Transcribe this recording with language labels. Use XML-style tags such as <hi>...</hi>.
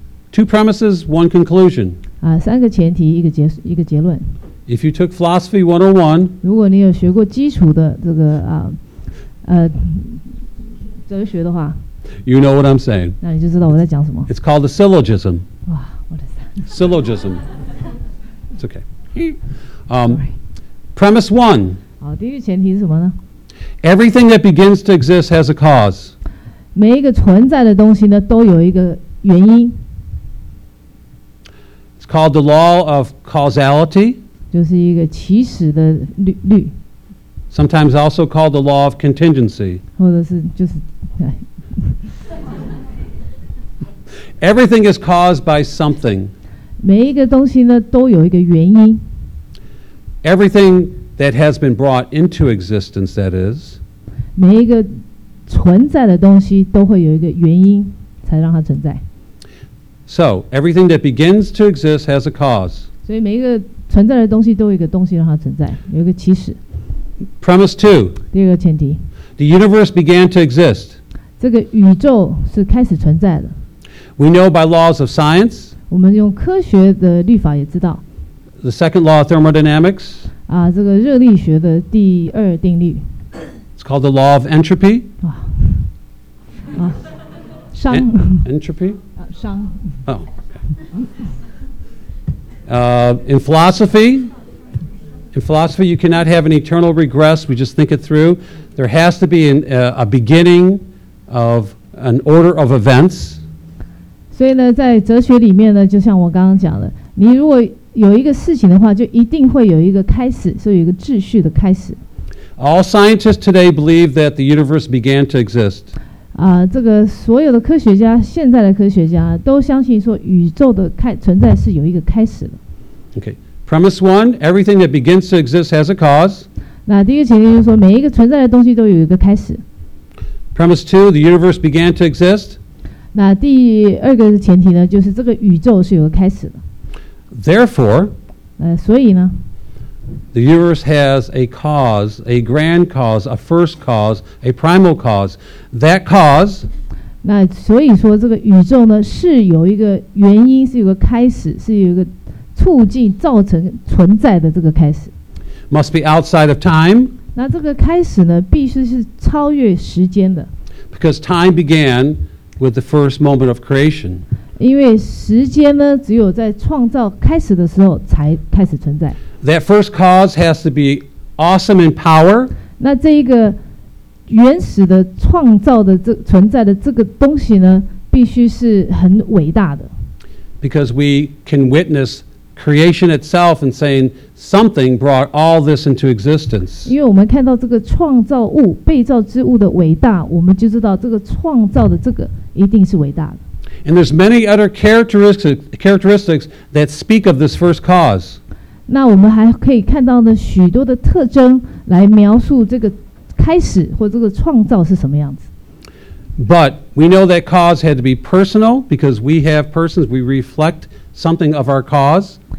<en>Two premises, one conclusion.</en> <zh>三个前提，一个结论。</zh> <en>If you took philosophy 101,</en> <zh>如果你有学过基础的这个哲学的话，</zh> <en>you know what I'm saying.</en> <zh>那你就知道我在讲什么。</zh> <en>It's called a syllogism.</en> <zh>哇，我的天。</zh> <en>Syllogism. It's okay. Premise one.</en> <zh>好，第一个前提是什么呢？</zh> <en>Everything that begins to exist has a cause.</en> <zh>每一个存在的东西呢，都有一个原因。</zh> <en>It's called the law of causality.</en> <zh>就是一个起始的律。</zh> <en>Sometimes also called the law of contingency.</en> <zh>或者是就是。</zh> <en>Everything is caused by something.</en> <zh>每一个东西呢都有一个原因。</zh> <en>Everything that has been brought into existence, that is.</en> <zh>每一个存在的东西都会有一个原因才让它存在。</zh> <en>So, everything that begins to exist has a cause.</en> <zh>所以每一个存在的东西都有一个东西让它存在，有一个起始。</zh> <en>Premise two.</en> <zh>第二个前提。</zh> <en>The universe began to exist.</en> <zh>这个宇宙是开始存在的。</zh> <en>We know by laws of science.</en> <zh>我们用科学的律法也知道。</zh> <en>The second law of thermodynamics.</en> <zh>啊，这个热力学的第二定律。</zh> <en>It's called the law of entropy.</en> <zh>啊，啊，熵。</zh> <en>Entropy.</en> <zh>啊，熵。</zh> <en>Oh. In philosophy. In philosophy, you cannot have an eternal regress. We just think it through. There has to be a beginning of an order of events.</en> <zh>所以呢，在哲学里面呢，就像我刚刚讲的，你如果有一个事情的话，就一定会有一个开始，所以有一个秩序的开始。</zh> <en>All scientists today believe that the universe began to exist.</en> <zh>啊，这个所有的科学家，现在的科学家都相信说，宇宙的存在是有一个开始的。</zh> <en>Okay. Premise one, everything that begins to exist has a cause.</en> <zh>那第一个前提就是说，每一个存在的东西都有一个开始。</zh> <en>Premise two, the universe began to exist.</en> <zh>那第二个前提呢，就是这个宇宙是有个开始的。</zh> <en>Therefore,</en> <zh>所以呢</zh> <en>the universe has a cause, a grand cause, a first cause, a primal cause. That cause.</en> <zh>那所以说，这个宇宙呢是有一个原因，是有个开始，是有一个。促进造成存在的这个开始</zh> <en>，must be outside of time。</en> <zh>那这个开始呢，必须是超越时间的</zh> <en>，because time began with the first moment of creation。</en> <zh>因为时间呢，只有在创造开始的时候才开始存在。</zh> <en>That first cause has to be awesome in power。</en> <zh>那这一个原始的创造的这存在的这个东西呢，必须是很伟大的</zh> <en>，because we can witness。 Creation itself and saying something brought all this into existence.</en> <zh>因为我们看到这个创造物、被造之物的伟大，我们就知道这个创造的这个一定是伟大的。</zh> <en>And there's many other characteristics that speak of this first cause.</en> <zh>那我们还可以看到呢许多的特征来描述这个开始或这个创造是什么样子。</zh> <en>But we know that cause had to be personal because we have persons, we reflect something of our cause.</en>